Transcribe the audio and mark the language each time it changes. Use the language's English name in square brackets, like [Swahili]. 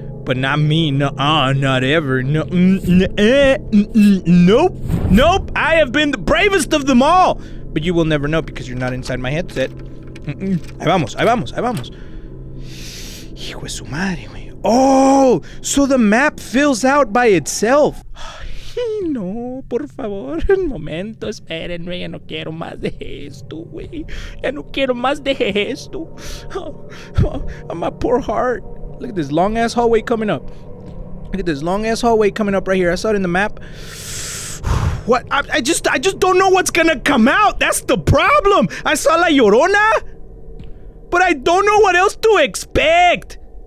[English] But not me, nope, I have been the bravest of them all! But you will never know because you're not inside my headset. [Spanish] Ahí vamos. Hijo de su madre, güey. [English] Oh, so the map fills out by itself. [Spanish] No, por favor, un momento, espérenme, ya no quiero más de esto, güey. Ya no quiero más de esto. [English] Oh, my poor heart. Look at this long-ass hallway coming up. Right here. I saw it in the map. What? I just don't know what's gonna come out. That's the problem. I saw La Llorona, but I don't know what else to expect.